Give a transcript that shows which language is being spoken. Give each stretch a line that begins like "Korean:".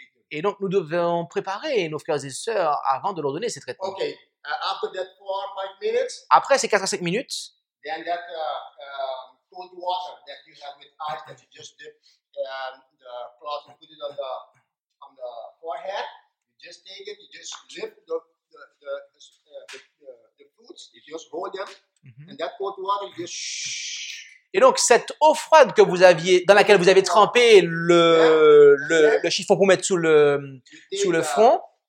French: Et donc, nous devons préparer nos frères et sœurs avant de leur donner ces traitements.
English: Okay. After that 4 or 5 minutes,
French: après ces 4 à 5 minutes,
English: then that, cold water that you have with ice that you just dip the cloth and put it on the forehead. You just take it. You just lift the foods. You just hold them. Mm-hmm. And that cold water, you just.
French: Et donc cette eau froide que vous aviez, dans laquelle vous avez trempé le chiffon pour mettre sous le front.